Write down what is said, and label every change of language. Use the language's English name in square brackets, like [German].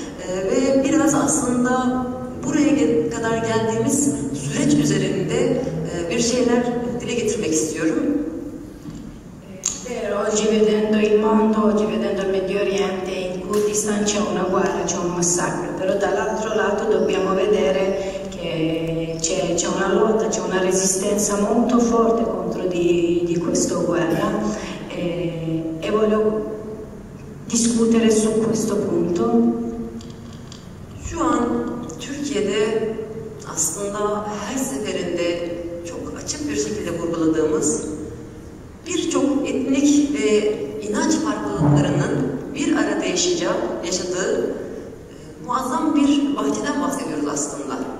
[Turkish] Ve biraz aslında buraya kadar geldiğimiz süreç üzerinde bir şeyler dile getirmek istiyorum. [Italian] Oggi vedendo il mondo, oggi vedendo il Medio Oriente, in Kurdistan c'è una guerra, c'è un massacro, però dall'altro lato dobbiamo vedere che c'è una lotta, c'è una resistenza molto forte contro di questa guerra e voglio discutere su questo punto. [Turkish] Şu an Türkiye'de aslında her seferinde çok açık bir şekilde vurguladığımız birçok etnik ve inanç farklılıklarının bir arada yaşadığı muazzam bir bahçeden bahsediyoruz aslında.